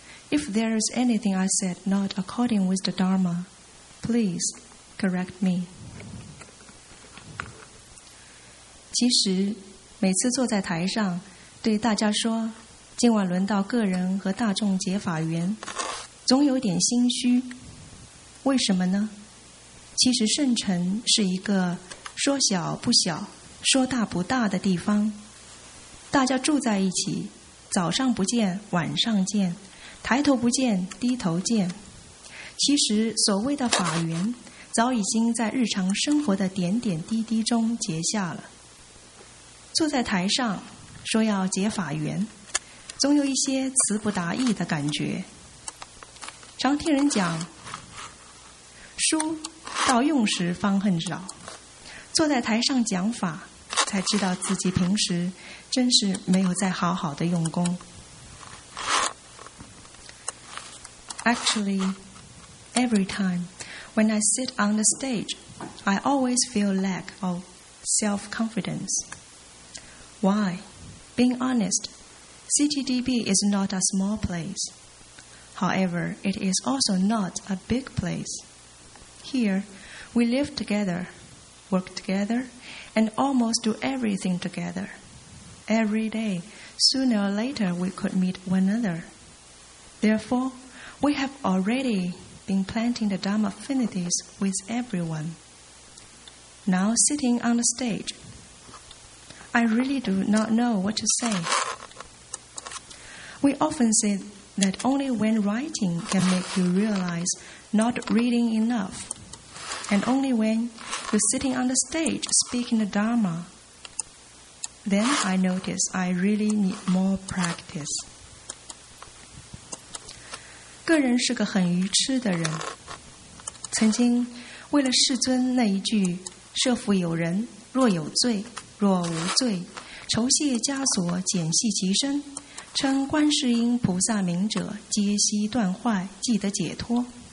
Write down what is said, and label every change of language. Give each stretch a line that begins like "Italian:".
English: If there is anything I said not according with the Dharma, please correct me.
Chinese: 其实每次坐在台上对大家说今晚轮到个人和大众结法缘，总有点心虚，为什么呢？其实圣城是一个说小不小、说大不大的地方，大家住在一起，早上不见晚上见，抬头不见低头见，其实所谓的法缘早已经在日常生活的点点滴滴中结下了。坐在台上说要结法缘，总有一些词不达意的感觉，常听人讲书到用时方恨少，坐在台上讲法才知道自己平时真是没有再好好的用功。
English: Actually, every time when I sit on the stage, I always feel lack of self-confidence. Why? Being honest, CTDB is not a small place. However, it is also not a big place. Here, we live together, work together, and almost do everything together. Every day, sooner or later, we could meet one another. Therefore, we have already been planting the Dhamma affinities with everyone. Now, sitting on the stage, I really do not know what to say. We often say that only when writing can make you realize not reading enough, and only when you're sitting on the stage speaking the Dharma, then I notice I really need more practice.
Chinese: 个人是个很愚痴的人，曾经为了世尊那一句设伏有人若有罪若无罪，酬谢枷锁减系其身，称观世音菩萨名者皆悉断坏即得解脱。